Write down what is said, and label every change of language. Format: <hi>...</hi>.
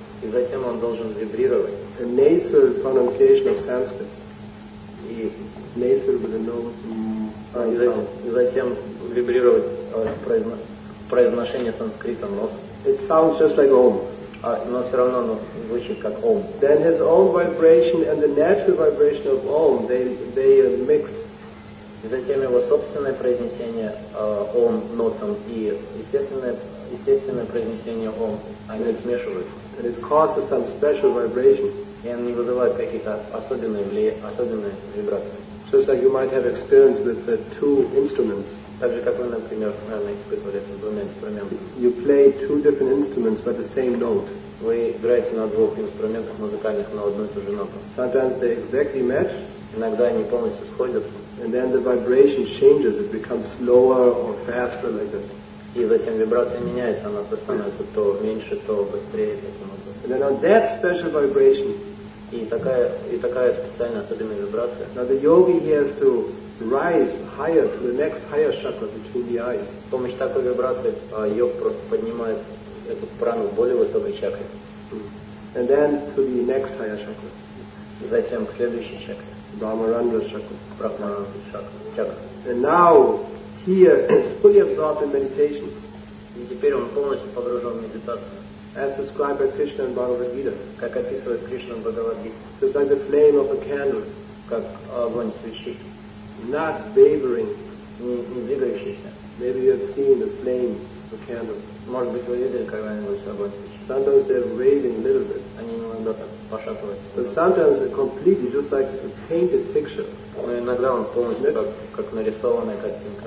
<ru>И затем он должен вибрировать.</ru> <en>A nasal pronunciation of Sanskrit.</en> <ru>И</ru> <en>nasal with a nose.</en> <ru>И затем вибрировать произношение санскрита нос.</ru> <en>It sounds just like Om.</en> <ru>Но все равно оно звучит как Om.</ru> <en>Then his own vibration and the natural vibration of Om, they mix.</en> <ru>И затем его собственное произнесение Om нотам и естественное произнесение Om, они смешиваются.</ru> <en>And it causes some special vibration.</en> <ru>И они вызывают какие-то особенные вибрации.</ru> <en>Just like you might have experienced with the two instruments.</en> <ru>Также как вы, например, испытывали с двумя инструментами.</ru> <en>You play two different instruments but the same note.</en> <ru>Вы играете на двух инструментах музыкальных на одну и ту же ноту.</ru> <en>Sometimes they exactly match.</en> <ru>Иногда они полностью сходятся.</ru> <en>And then the vibration changes. It becomes slower or faster like this.</en> <ru>И затем вибрация меняется, она становится то меньше, то быстрее таким образом.</ru> <en>And then on that special vibration.</en> <ru>И такая специальная особенная вибрация.</ru> <en>Now the yogi has to rise higher to the next higher chakra between the eyes.</en> <ru>С помощью такой вибрации йог просто поднимает эту прану в более высокой чакре.</ru> <en>And then to the next higher chakra.</en> <ru>И затем к следующей чакре. Брахмаранда чакра. Брахмаранда чакра.</ru> <en>And now here is fully absorbed in meditation.</en> <ru>И теперь он полностью погружен в медитацию.</ru> <en>As described by Krishna in Bhagavad Gita.</en> <ru>Как описывает Кришна в Бхагавад Гите.</ru> <en>Just like the flame of a candle.</en> <ru>Как огонь свечи.</ru> <en>Not wavering.</en> <ru>Не двигающийся.</ru> <en>Maybe you have seen the flame of a candle.</en> <ru>Может быть, вы видели когда-нибудь огонь свечи.</ru> <en>Sometimes they're waving a little bit.</en> <ru>Они иногда так пошатываются.</ru> <en>But sometimes they're completely just like a painted picture.</en> <ru>Но иногда он полностью как нарисованная картинка.</ru>